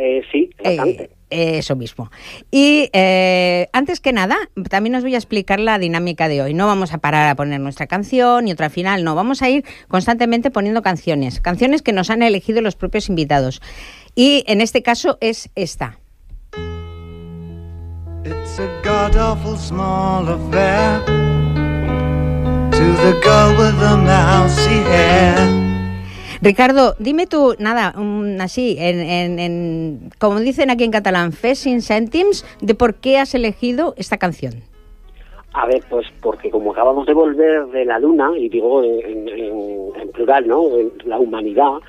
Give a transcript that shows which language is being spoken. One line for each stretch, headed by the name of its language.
Spanish: Sí, bastante. Eso mismo. Y antes que nada, también os voy a explicar la dinámica de hoy. No vamos a parar a poner nuestra canción y otra final, no. Vamos a ir constantemente poniendo canciones, canciones que nos han elegido los propios invitados. Y en este caso es esta.
English: It's a god-awful small affair to the girl with the mousy hair.
Spanish: Ricardo, dime tú, nada, así, en como dicen aquí en catalán, fes sin sentims, de por qué has elegido esta canción. A ver, pues porque como acabamos de volver de la luna, y digo en plural, ¿no?, en la humanidad,